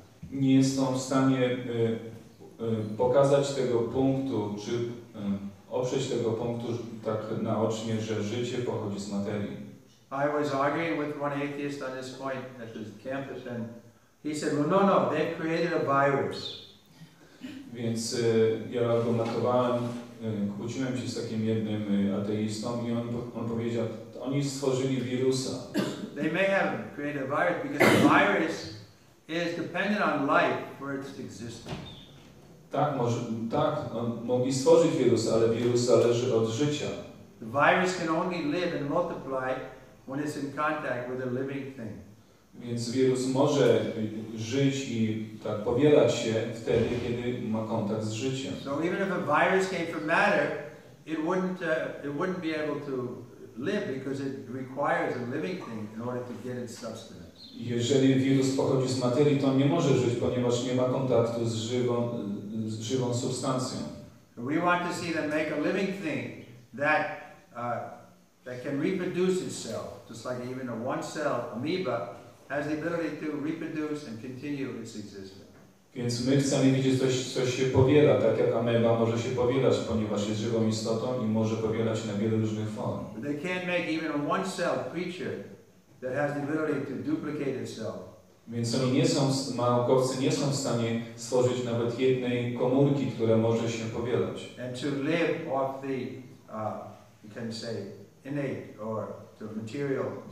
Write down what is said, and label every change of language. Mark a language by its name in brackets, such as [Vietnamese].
[Polish] Nie są w stanie pokazać tego punktu, czy oprzeć tego punktu tak naocznie, że życie pochodzi z materii. [English] I was arguing with one atheist on this point at his campus and he said, well, no, they created a virus. [Polish] Więc ja argumentowałem, kłóciłem się z takim jednym ateistą i on powiedział, oni stworzyli wirusa. [English] They may have created a virus because the virus is dependent on life for its existence. [Polish] Tak, mogli stworzyć wirus, ale wirus zależy od życia. [English] The virus can only live and multiply when it's in contact with a living thing. [Polish] Więc wirus może żyć i tak powielać się wtedy, kiedy ma kontakt z życiem. [English] So even if a virus came from matter, it wouldn't be able to live because it requires a living thing in order to get its sustenance. [Polish] Jeżeli wirus pochodzi z materii, to on nie może żyć, ponieważ nie ma kontaktu z żywą substancją. [English] So we want to see them make a living thing that can reproduce itself, just like even a one cell amoeba has the ability to reproduce and continue its existence. [Polish] Więc my chcemy widzieć coś się powiela, tak jak ameba może się powielać, ponieważ jest żywą istotą i może powielać na wiele różnych form. [English] But they can't make even a one-cell creature that has the ability to duplicate itself. [Polish] Więc oni naukowcy nie są w stanie stworzyć nawet jednej komórki, która może się powielać. [English] And to live off the, you can say, innate or the material,